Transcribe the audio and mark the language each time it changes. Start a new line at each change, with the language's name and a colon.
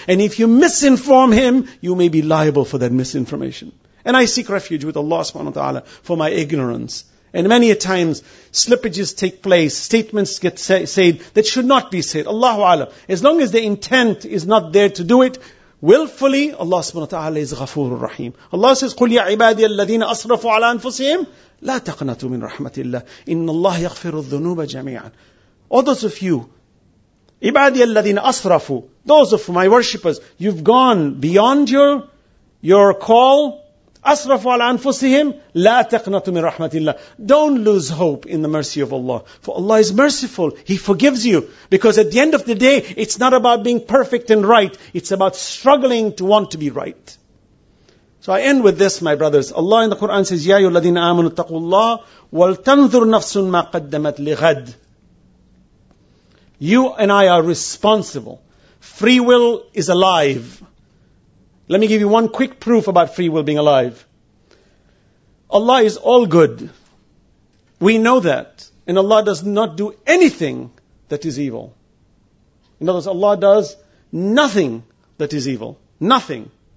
English: And if you misinform him, you may be liable for that misinformation. And I seek refuge with Allah subhanahu wa ta'ala for my ignorance. And many a times, slippages take place, statements get said that should not be said. Allahu A'lam. As long as the intent is not there to do it willfully, Allah subhanahu wa ta'ala is Ghafoor Rahim. Allah says,
Arabic: قُلْ يَا عِبَادِيَ الَّذِينَ أَصْرَفُوا عَلَىٰ أَنفُسِهِمْ لَا تَقْنَتُوا مِنْ رَحْمَةِ اللَّهِ إِنَّ اللَّهَ يَغْفِرُ الذُّنُوبَ جَمِيعًا.
English: All those of you,
Arabic: عِبَادِيَ الَّذِينَ أَصْرَفُوا,
English: those of my worshippers, you've gone beyond your call.
Arabic: أَصْرَفُوا عَلَىٰ أَنفُسِهِمْ لَا تَقْنَتُوا مِنْ رَحْمَةِ اللَّهِ.
English: Don't lose hope in the mercy of Allah. For Allah is merciful. He forgives you. Because at the end of the day, it's not about being perfect and right. It's about struggling to want to be right. So I end with this, my brothers. Allah in the Quran says,
Arabic: يَا أَيُّهَا الَّذِينَ آمَنُوا اتَّقُوا اللَّهَ وَلْتَنْظُرْ نَفْسٌ مَا قَدَّمَتْ لِغَدٍ.
English: You and I are responsible. Free will is alive. Let me give you one quick proof about free will being alive. Allah is all good. We know that. And Allah does not do anything that is evil. In other words, Allah does nothing that is evil. Nothing.